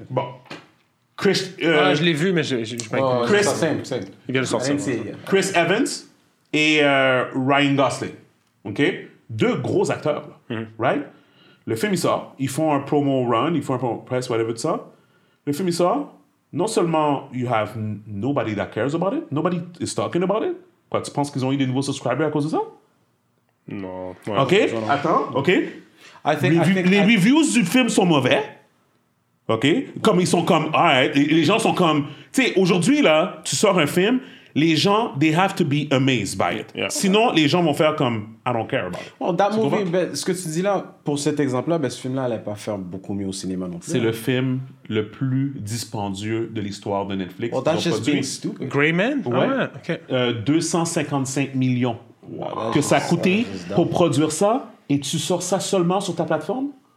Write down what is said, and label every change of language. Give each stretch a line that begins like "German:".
French: bon. Chris... Je l'ai vu, mais je m'inquiète. Chris... Il vient de sortir. Chris Evans et Ryan Gosling. OK? Deux gros acteurs, là. Mm-hmm. Right? Le film, il sort. Ils font un promo run. Ils font un promo press, whatever, tout ça. Le film, il sort. Non seulement,
English: you have nobody that cares about it. Nobody is talking about it.
French: Quoi, tu penses qu'ils ont eu des nouveaux subscribers à cause de ça? Non. Ouais, OK? Attends. OK? Les reviews du film sont mauvais. OK? Comme ils sont comme...
English: All right.
French: Les gens sont comme... Tu sais, aujourd'hui, là, tu sors un film... Les gens,
English: they have to be amazed by it. Yeah.
French: Sinon, les gens vont faire comme,
English: I don't care about it. Well, that movie,
French: ben, ce que tu dis là, pour cet exemple-là, ben, ce film-là n'allait pas faire beaucoup mieux au cinéma non plus. C'est le film le plus dispendieux de l'histoire de Netflix.
English: Well, that's just being stupid. Gray Man?
French: Ouais. Ah, okay. 255 millions. Wow, que ça a coûté pour produire ça, et tu sors ça seulement sur ta plateforme?